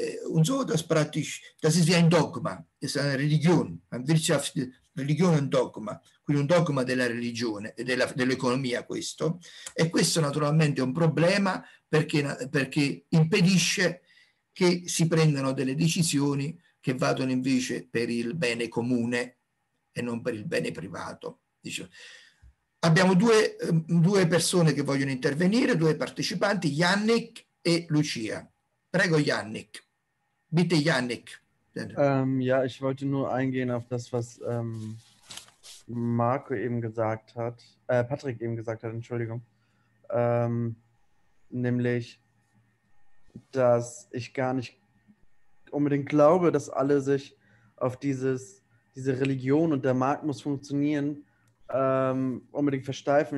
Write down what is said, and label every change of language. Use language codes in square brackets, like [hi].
[de] Und so, das praktisch, das ist wie ein Dogma, ist eine Religion, eine Wirtschaftsreligion, [it] un dogma, quindi un dogma della religione e dell'economia, questo. E questo naturalmente è un problema perché impedisce che si prendano delle decisioni che vadano invece per il bene comune e non per il bene privato. Diciamo. Abbiamo due persone che vogliono intervenire, due partecipanti, Yannick e Lucia. Prego Yannick. [de] Bitte Yannick. Ja, ich wollte nur eingehen auf das, was Marco eben gesagt hat, Patrick eben gesagt hat, Entschuldigung. Nämlich, dass ich gar nicht unbedingt glaube, dass alle sich auf diese Religion und der Markt muss funktionieren unbedingt versteifen.